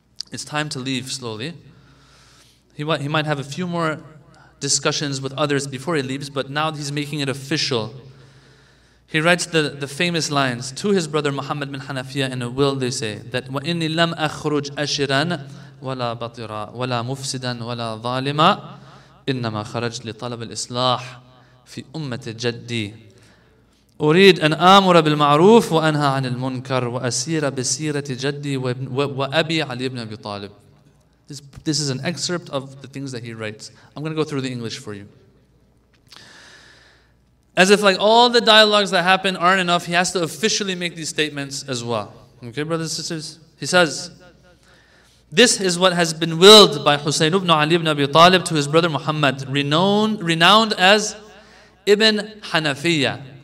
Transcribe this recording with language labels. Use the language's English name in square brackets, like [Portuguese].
[English] It's time to leave slowly. He might have a few more discussions with others before he leaves, but now he's making it official. He writes the famous lines to his brother Muhammad bin Hanafiyyah in a will, they say, that [Arabic] وَإِنِّي لَمْ أَخْرُجْ أَشِرًا ولا بطرا ولا مفسدا ولا ظالما إنما خرجت لطلب الإصلاح في أمة جدي أريد أن آمر بالمعروف وأنهى عن المنكر وأسير بسيرة جدي وأبي علي بن أبي طالب. [English] This is an excerpt of the things that he writes. I'm going to go through the English for you. As if like all the dialogues that happen aren't enough, he has to officially make these statements as well. Okay, brothers and sisters? He says, this is what has been willed by Husayn ibn Ali ibn Abi Talib to his brother Muhammad, renowned as Ibn Hanafiyyah.